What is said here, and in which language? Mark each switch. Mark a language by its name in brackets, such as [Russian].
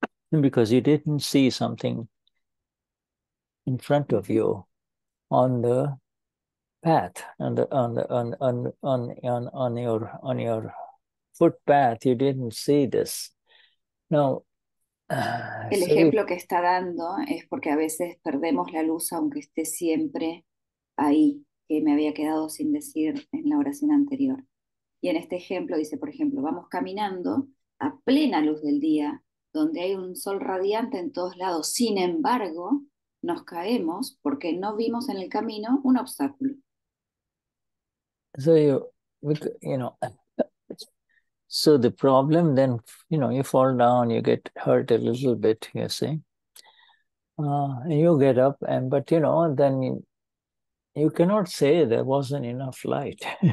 [English] Because you didn't see something in front of you on the path, on your footpath, you didn't see this. Now, [Spanish] el ejemplo que está dando es porque a veces perdemos la luz aunque esté siempre ahí, que me había quedado sin decir en la oración anterior. Y en este ejemplo dice, por ejemplo, vamos caminando a plena luz del día, donde hay un sol radiante en todos lados, sin embargo, nos caemos porque no vimos en el camino un obstáculo. [English] So you, So the problem then, you know, you fall down, you get hurt a little bit, you see. You get up, and but you know, then you cannot say there wasn't enough light.